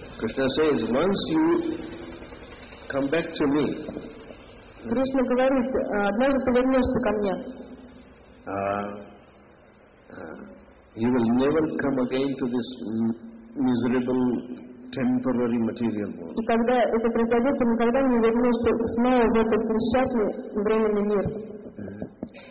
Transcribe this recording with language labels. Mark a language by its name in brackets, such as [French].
[English] Krishna says, once you come back to me, [Russian] Кришна говорит, однажды повернешься ко мне. [English] You will never come again to this miserable temporary material world. [Russian] И когда это произойдет, ты никогда не вернешься снова в этот несчастный временный мир.